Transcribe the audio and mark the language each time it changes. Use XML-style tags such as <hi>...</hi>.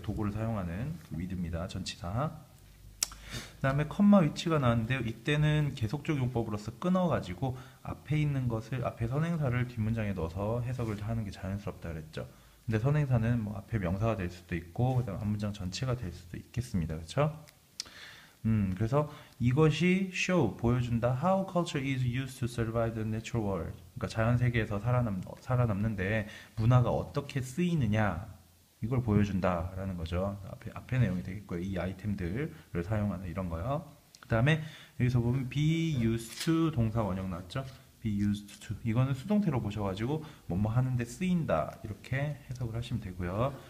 <ko>도구를 사용하는 with입니다. 전치사. 그다음에 컴마 위치가 나왔는데요. 이때는 계속적 용법으로서 끊어가지고 앞에 있는 것을 앞에 선행사를 뒷문장에 넣어서 해석을 하는 게 자연스럽다 그랬죠. 근데 선행사는 뭐 앞에 명사가 될 수도 있고 그다음 앞문장 전체가 될 수도 있겠습니다. 그렇죠? 그래서 이것이 show 보여준다.</ko> <en>How culture is used to survive the natural world.</en> <ko>그러니까 자연 세계에서 살아남는데 문화가 어떻게 쓰이느냐. 이걸 보여준다라는 거죠. 앞에 내용이 되겠고요. 이 아이템들을 사용하는 이런 거요. 그 다음에 여기서 보면 be used to 동사 원형 나왔죠? be used to. 이거는 수동태로 보셔가지고 뭐뭐 하는데 쓰인다. 이렇게 해석을 하시면 되고요.</ko>